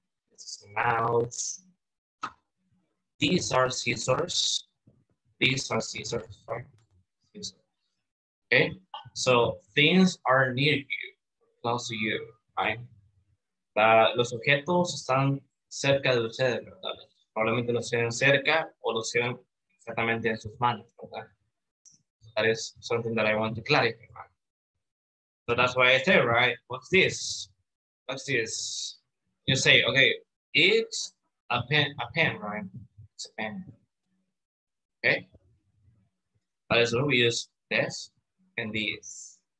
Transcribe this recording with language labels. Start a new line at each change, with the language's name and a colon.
English: This is a mouse. These are scissors. These are scissors, right? Okay, so things are near you, close to you, right?
Spanish: Los objetos están cerca de ustedes, ¿verdad? Probablemente los tienen cerca o los tienen exactamente en sus manos, ¿verdad?
English: So that is something that I want to clarify, right? So that's why I say, right? What's this? What's this? You say, okay, it's a pen, right? It's a pen. Okay? That is what we use this. And these.